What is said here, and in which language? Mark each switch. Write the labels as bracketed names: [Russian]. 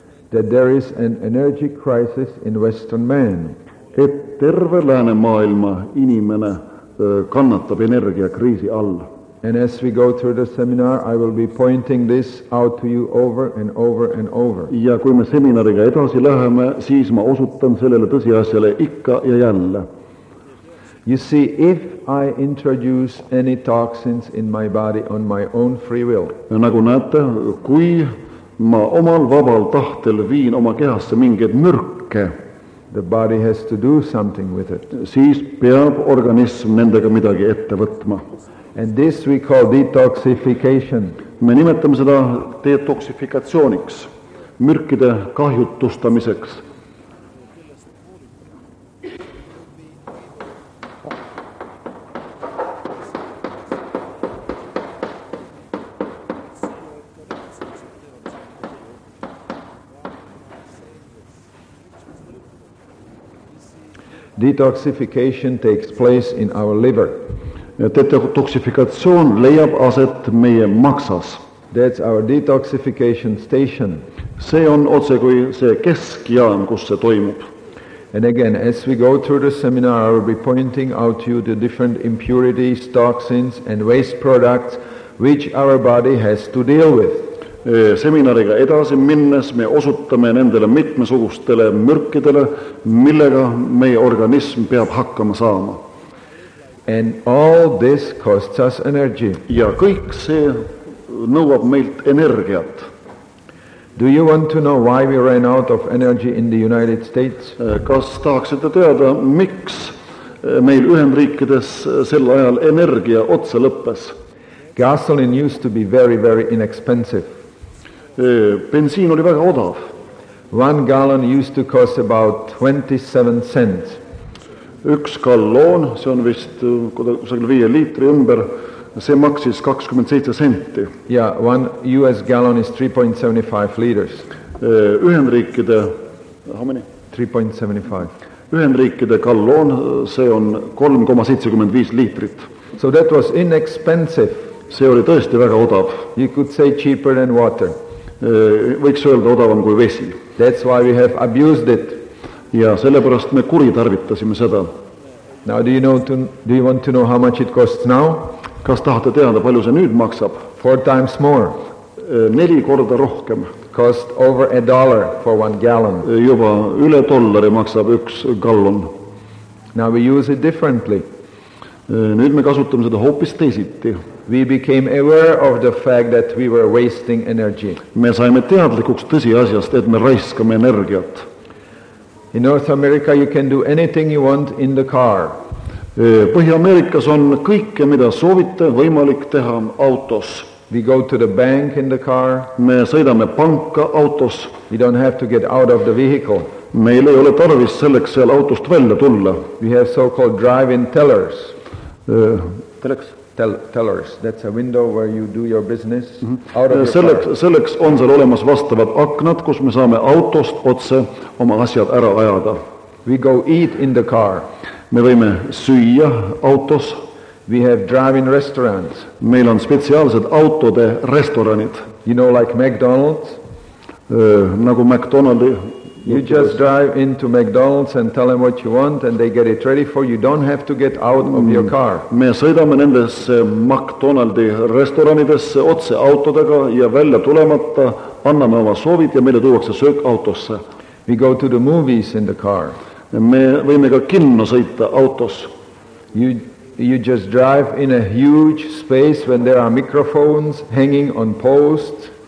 [English] That there is an energy crisis in Western man. [Estonian] Et terve lääne maailma inimene kannatab energiakriisi all. [English] And as we go through the seminar, I will be pointing this out to you over and over and over. [Estonian] Ja kui me seminariga edasi läheme, siis ma osutan sellele tõsiasjale ikka ja jälle. [English] You see, if I introduce any toxins in my body on my own free will. [Estonian] Ja nagu näete, kui ma omal vabal tahtel viin oma kehasse mingid mürke. [English] The body has to do something with it. [Estonian] Siis peab organism nendega midagi ette võtma. [English] And this we call detoxification. [Estonian] Me nimetame seda detoksifikatsiooniks, mürkide kahjutustamiseks. [English] Detoxification takes place in our liver. [Estonian] Detoxifikatsioon leiab aset meie maksas. [English] That's our detoxification station. [Estonian] See on otse kui see keskjaam, kus see toimub. [English] And again, as we go through the seminar, I will be pointing out to you the different impurities, toxins and waste products which our body has to deal with. [Estonian] Seminariga edasi minnes me osutame nendele mitmesugustele mürkidele, millega meie organism peab hakkama saama. [English] And all this costs us energy. [Estonian] Ja kõik see nõuab meilt energiat. [English] Do you want to know why we ran out of energy in the United States? [Estonian] Kas tahaksite teada, miks meil Ühendriikides sel ajal energia otsa lõppes? [English] Gasoline used to be very, very inexpensive. [Estonian] Bensiin oli väga odav. [English] One gallon used to cost about 27 cents. [Estonian] Üks galloon, see on vist 5 liitri ümber, see maksis 27 senti. [English] Yeah, one US gallon is 3.75 liters. [Estonian] Ühendriikide, [English] how many? 3.75. [Estonian] Ühendriikide galloon, see on 3.75 liitrit. [English] So that was inexpensive. [Estonian] See oli tõesti väga odav. [English] You could say cheaper than water. [Estonian] Võiks öelda odavam kui vesi. [English] That's why we have abused it. [Estonian] Ja sellepärast me kuritarvitasime seda. [English] Now do you want to know how much it costs now? [Estonian] Kas tahate teada, palju see nüüd maksab? [English] 4 times more. [Estonian] 4 korda rohkem. [English] Cost over a dollar for one gallon. [Estonian] Juba üle dollari maksab üks gallon. [English] Now we use it differently. [Estonian] Nüüd me kasutame seda hoopis teisiti. [English] We became aware of the fact that we were wasting energy. [Estonian] Me saime teadlikuks tõsi asjast, et me raiskame energiat. [English] In North America you can do anything you want in the car. [Estonian] Põhja-Ameerikas on kõike, mida soovite, võimalik teha autos. [English] We go to the bank in the car. [Estonian] Me sõidame panka autos. [English] We don't have to get out of the vehicle. [Estonian] Meil ei ole tarvis selleks seal autost välja tulla. [English] We have so-called drive-in tellers. Tellers, that's a window where you do your business out of your [Estonian] selleks, [English] car. [Estonian] Selleks on seal olemas vastavad aknad, kus me saame autost otse oma asjad ära ajada. [English] We go eat in the car. [Estonian] Me võime süüa autos. [English] We have driving restaurants. [Estonian] Meil on spetsiaalsed autode restoranid. [English] You know, like McDonald's? [Estonian] Nagu McDonald's. [English] You just drive into McDonald's and tell them what you want and they get it ready for you. You don't have to get out of your car. [Estonian] Me sõidame nendes McDonald's restoranides otse autodega ja välja tulemata anname oma soovid ja meile tuuakse söök autosse. [English] We go to the movies in the car. [Estonian] Me võime ka kinno sõita autos. [English] You just drive in a huge space when there are microphones hanging on posts.